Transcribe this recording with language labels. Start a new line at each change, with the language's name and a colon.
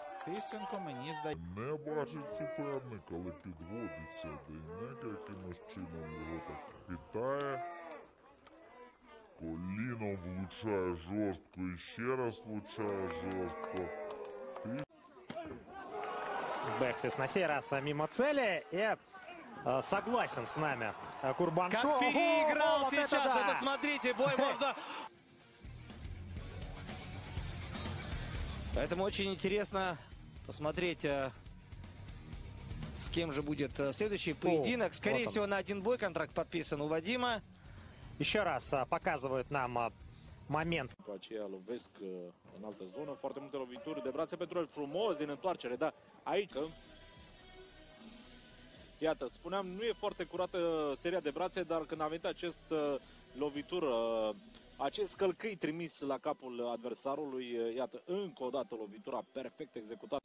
Ukrainian: Тищенко мені здається. Не бачить суперник, але підводиться Дейнека, якимось чином його так хитає. Коліном влучає жорстко і ще раз влучає жорстко.
Russian: Бекфіст на сей раз мимо цели и согласен с нами Курбаншоу. Как переиграл сейчас, вот это да. Вы посмотрите, бой можно... Поэтому очень интересно посмотреть, с кем же будет следующий поединок. Скорее всего, на один бой контракт подписан у Вадима. Еще раз показывают нам... момент.
Romanian: După aceea îl vesc în altă zonă, foarte multe lovituri de brațe pentru el, frumos din întoarcere, dar aici, iată, spuneam, nu e foarte curată seria de brațe, dar când a venit acest lovitură, acest călcâi trimis la capul adversarului, iată, încă o dată lovitura perfect executată.